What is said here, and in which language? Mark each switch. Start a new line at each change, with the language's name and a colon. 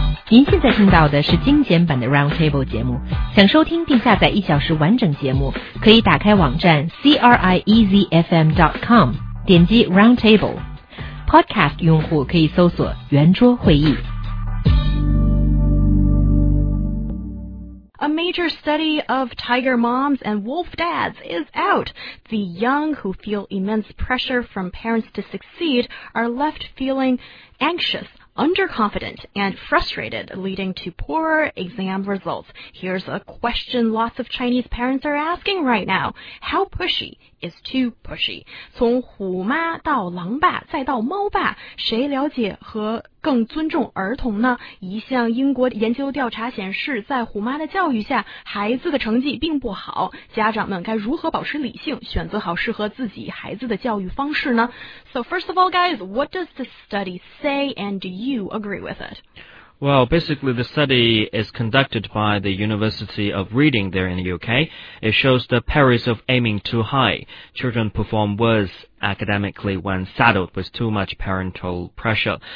Chinese: 您现在听到的是精简版的 Roundtable 节目，想收听并下载一小时完整节目，可以打开网站 CRIEZFM.com， 点击 Roundtable。 Podcast 用户可以搜索圆桌会议。
English: A major study of tiger moms and wolf dads is out. The young who feel immense pressure from parents to succeed are left feeling anxious, underconfident, and frustrated, leading to poorer exam results. Here's a question lots of Chinese parents are asking right now. How pushy is too pushy?
Chinese: 从虎妈到狼爸再到猫爸，谁了解和更尊重儿童呢？一项英国研究调查显示，在虎妈的教育下，孩子的成绩并不好。家长们该如何保持理性，选择好适合自己孩子的教育方式呢？
English: So first of all, guys, what does the study say, and do you agree with it? Well, basically, the study is conducted by the University of Reading there in the UK. It shows the perils of aiming too high. Children perform worse. academically when saddled with too much parental pressure.